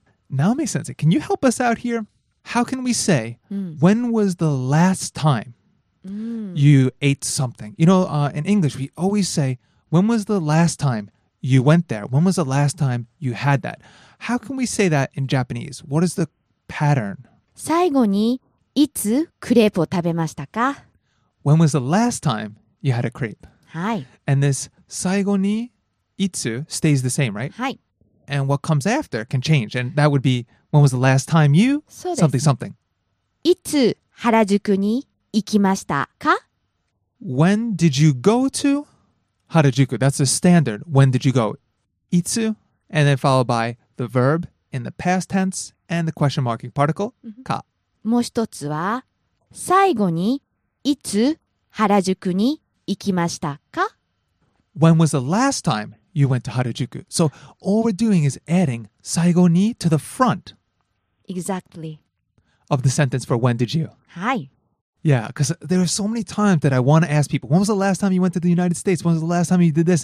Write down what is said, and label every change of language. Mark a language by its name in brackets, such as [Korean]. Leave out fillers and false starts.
[English] Naomi-sensei, can you help us out here? How can we say,、mm. when was the last time、mm. you ate something? You know,、in English, we always say, when was the last time you went there? When was the last time you had that? How can we say that in Japanese? What is the pattern? [Japanese] 最後にいつクレープを食べましたか? [English] When was the last time you had a crepe? [Japanese] はい。 [English] And this 最後にいつ stays the same, right? [Japanese] はい。 [English] And what comes after can change. And that would be, when was the last time you something something? [Japanese] いつ原宿に行きましたか? [English] When did you go to Harajuku? That's a standard. When did you go? いつ? And then followed by the verb in the past tense and the question marking particle, か。 [Japanese] もう一つは、最後にいつ原宿に行きましたか? [English] When was the last time you went to Harajuku? So all we're doing is adding 最後にto the front. Exactly. Of the sentence for when did you? [Japanese] はい。 [English] Yeah, because there are so many times that I want to ask people, when was the last time you went to the United States? When was the last time you did this?